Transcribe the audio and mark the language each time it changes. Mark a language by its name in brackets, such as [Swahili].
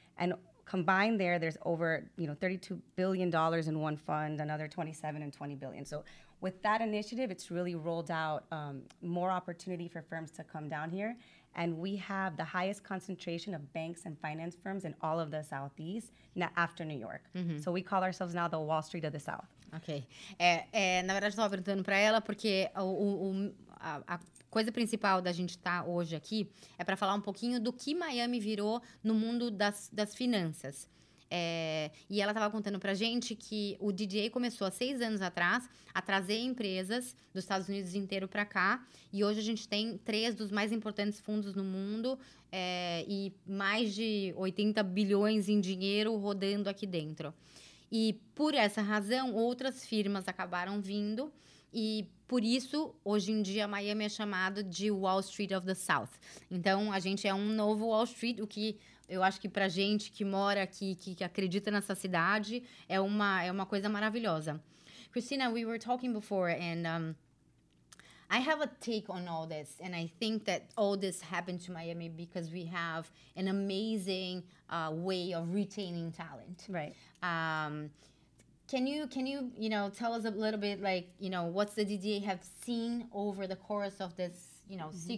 [English] And combined there, there's over, you know, $32 billion in one fund, another $27 and $20 billion. So with that initiative, it's really rolled out more opportunity for firms to come down here. And we have the highest concentration of banks and finance firms in all of the Southeast, after New York. Mm-hmm. So we call ourselves now the Wall Street of the South. Okay. [Portuguese] Na verdade, estava perguntando para ela, porque a coisa principal da gente estar hoje aqui é para falar um pouquinho do que Miami virou no mundo das finanças. E ela estava contando para a gente que o DDA começou há 6 anos atrás a trazer empresas dos Estados Unidos inteiro para cá. E hoje a gente tem 3 dos mais importantes fundos no mundo e mais de 80 bilhões em dinheiro rodando aqui dentro. E por essa razão, outras firmas acabaram vindo. E por isso, hoje em dia, Miami é chamado de [English] Wall Street of the South. [Portuguese] Então, a gente é um novo Wall Street, o que eu acho que para a gente que mora aqui, que acredita nessa cidade, é uma coisa maravilhosa. [English] Cristina, we were talking before, and I have a take on all this, and I think that all this happened to Miami because we have an amazing way of retaining talent. Right. Can you tell us a little bit, like, you know, what's the DDA have seen over the course of this, you know, mm-hmm.